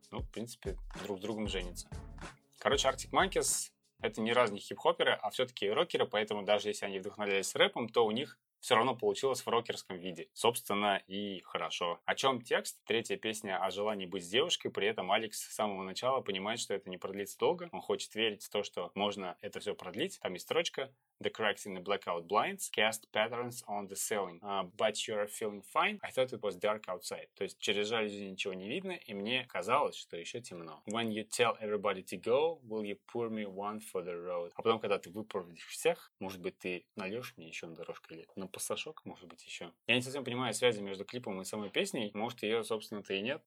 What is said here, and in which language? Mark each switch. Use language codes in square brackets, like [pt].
[ru] Ну, в принципе, друг с другом женится. Короче, Arctic Monkeys — это ни разу не хип-хоперы, а все-таки рокеры, поэтому даже если они вдохновлялись рэпом, то у них все равно получилось в рокерском виде. Собственно, и хорошо. О чем текст? Третья песня о желании быть с девушкой. При этом Алекс с самого начала понимает, что это не продлится долго. Он хочет верить в то, что можно это все продлить. Там есть строчка. [en] The cracks in the blackout blinds cast patterns on the ceiling. But you're feeling fine. I thought it was dark outside. [ru] То есть через жалюзи ничего не видно, и мне казалось, что еще темно. [en] When you tell everybody to go, will you pour me one for the road? [ru] А потом, когда ты выпроводишь всех, может быть, ты нальешь мне еще на дорожку или на пасашок, может быть, еще. Я не совсем понимаю связи между клипом и самой песней. Может, ее, собственно-то, и нет.